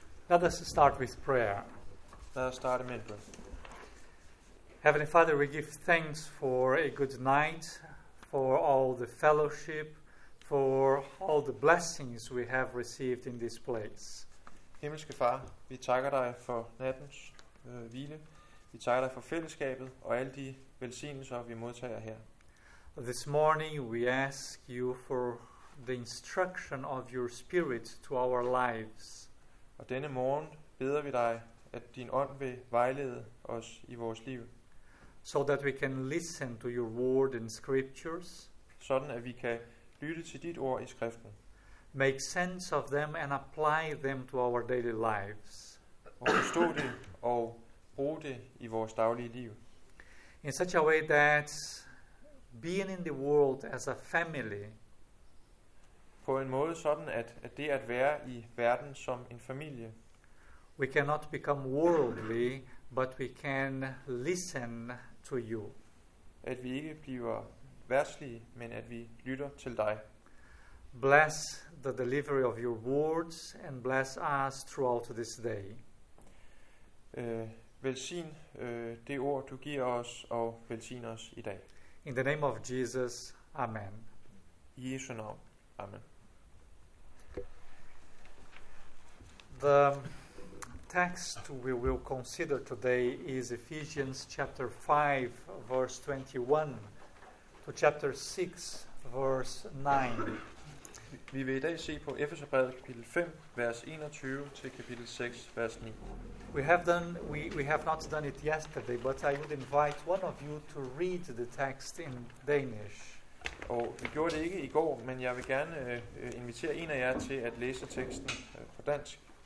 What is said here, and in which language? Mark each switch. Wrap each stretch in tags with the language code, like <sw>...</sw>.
<en>Let us start with prayer. Let us start in prayer. Heavenly Father, we give thanks for a good night, for all the fellowship, for all the blessings we have received in this place.</en> <da>Himmelske Far, vi takker dig for nattens hvile. Vi takker dig for fællesskabet og alle de velsignelser, vi modtager her.</da> <en>This morning we ask you for the instruction of your spirit to our lives.</en> <da>Og denne morgen beder vi dig, at din ånd vil vejlede os i vores liv.</da> <en>So that we can listen to your word in scriptures.</en> <da>Sådan at vi kan lytte til dit ord i skriften.</da> <en>Make sense of them and apply them to our daily lives.</en> <da>Og forstå det og bruge det i vores daglige liv.</da> <en>In such a way that being in the world as a family,</en> <da>på en måde sådan at det at være i verden som en familie,</da> <en>we cannot become worldly, but we can listen to you.</en> <da>At vi ikke bliver verdslige, men at vi lytter til dig.</da> <en>Bless the delivery of your words and bless us throughout this day.</en> <da>Velsign det ord du giver os og velsign os i dag.</da> <en>In the name of Jesus, amen.</en> <da>I Jesu navn, amen.</da> <en>The text we will consider today is Ephesians chapter 5, verse 21 to chapter 6, verse 9.</en> <da>Vi vil i dag se på Efeserbrevet kapitel 5, vers 21 til kapitel 6, vers 9.</da> <en>We have not done it yesterday, but I would invite one of you to read the text in Danish.</en> <da>Og vi gjorde det ikke i går, men jeg vil gerne invitere en af jer til at læse teksten på dansk.</da>